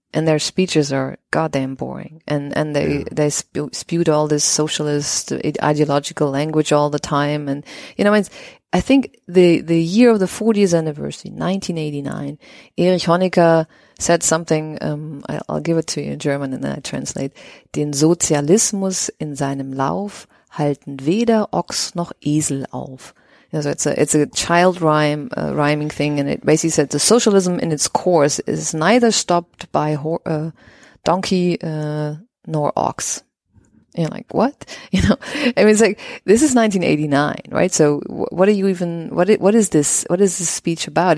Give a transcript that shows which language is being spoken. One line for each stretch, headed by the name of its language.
English: and their speeches are goddamn boring. And they, they spewed all this socialist ideological language all the time. And, you know, it's, I think the year of the 40th anniversary, 1989, Erich Honecker said something, I'll give it to you in German and then I translate.
German: Den Sozialismus in seinem Lauf halten weder Ochs noch Esel auf.
English: So it's a child rhyme, rhyming thing. And it basically said the socialism in its course is neither stopped by donkey, nor ox. And you're like, what? You know, I mean, it's like, this is 1989, right? So what are you even, what is this speech about?